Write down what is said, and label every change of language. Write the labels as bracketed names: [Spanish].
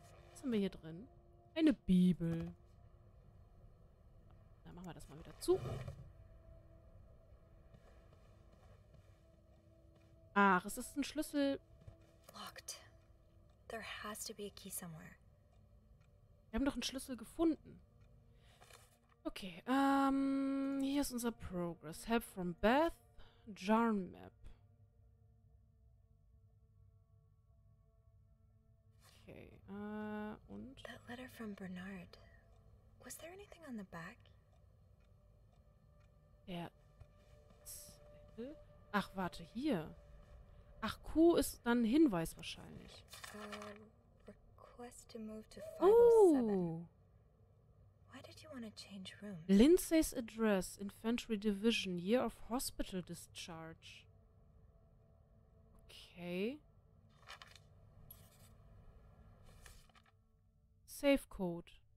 [German] Was haben wir hier drin? Eine Bibel. Dann machen wir das mal wieder zu. Ach, es ist ein Schlüssel. [English] Locked. There has to be a key somewhere. [German] Wir haben doch einen Schlüssel gefunden. Okay, hier ist unser Progress. [English] Help from Beth, Jarn Map. [German] Okay, und? [English] That letter from Bernard. Was there anything on the back? [German] Der Zettel? Ach, warte, hier. Ach, Q ist dann ein Hinweis wahrscheinlich. [English] Request to move to 507. Why did you want to change rooms? Lindsay's address, Infantry Division, Year of Hospital Discharge. Okay. Safe Code.